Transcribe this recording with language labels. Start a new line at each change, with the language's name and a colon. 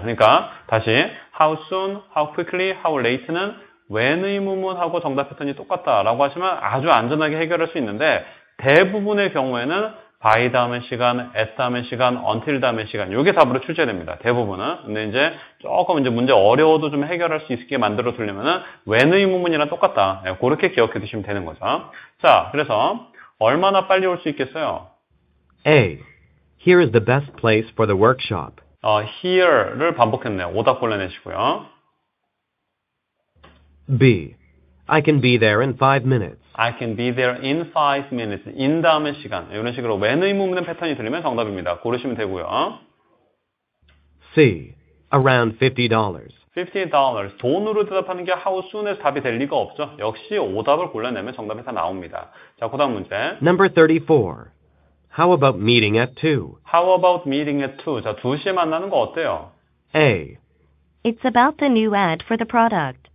Korean: 그러니까 다시 how soon, how quickly, how late는 when의 문문하고 정답 패턴이 똑같다라고 하시면 아주 안전하게 해결할 수 있는데 대부분의 경우에는 by 다음의 시간, at 다음의 시간, until 다음의 시간 요게 답으로 출제됩니다. 대부분은. 근데 이제 조금 이제 문제 어려워도 좀 해결할 수 있게 만들어 두려면은 when의 문문이랑 똑같다. 예, 그렇게 기억해 두시면 되는 거죠. 자, 그래서 얼마나 빨리 올 수 있겠어요?
English: A. Here is the best place for the workshop.
Korean: Here를 반복했네요. 오답 골라내시고요.
English: B. I can be there in 5 minutes. I can be there in 5 minutes. in
Korean: 다음의 시간. 이런 식으로 when의 문문의 패턴이 들리면 정답입니다. 고르시면 되고요.
English: C. Around $50.
Korean: $50. 돈으로 대답하는 게 how soon에서 답이 될 리가 없죠. 역시 오답을 골라내면 정답이 다 나옵니다. 자, 그 다음 문제.
English: Number 34. How about meeting at 2? How about meeting at 2?
Korean: 자, 2시에 만나는 거 어때요?
English: A. It's about the new ad for the product.